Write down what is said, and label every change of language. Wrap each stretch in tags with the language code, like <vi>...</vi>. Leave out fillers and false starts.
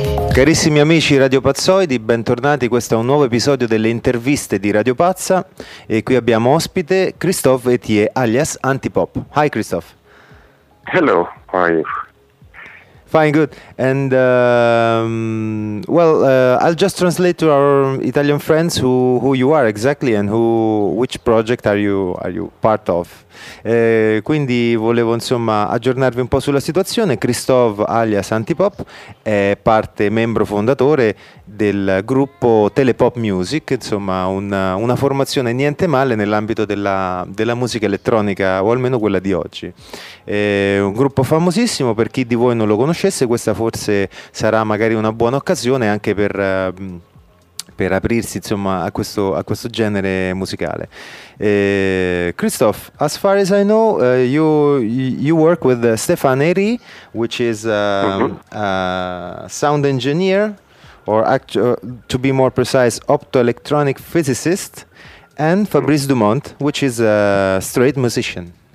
<it>Carissimi amici radiopazzoidi, bentornati, questo è un nuovo episodio delle interviste di Radio Pazza e qui abbiamo ospite Christophe Etier, alias Antipop.</it> <en>Hi Christophe. Hello, how are you? Fine, good. And I'll just translate to our Italian friends who you are exactly and which project are you part of.</en> <it>Quindi volevo insomma aggiornarvi un po' sulla situazione. Christophe alias Antipop è parte, membro fondatore del gruppo Telepop Music, insomma una formazione niente male nell'ambito della musica elettronica, o almeno quella di oggi. È un gruppo famosissimo, per chi di voi non lo conoscesse questa forse sarà magari una buona occasione anche per aprirsi insomma a questo genere musicale.</it> <en>Christophe, as far as I know, you work with Stefan Eri, which is a sound engineer, or to be more precise, optoelectronic physicist, and Fabrice Dumont, which is a straight musician.</en>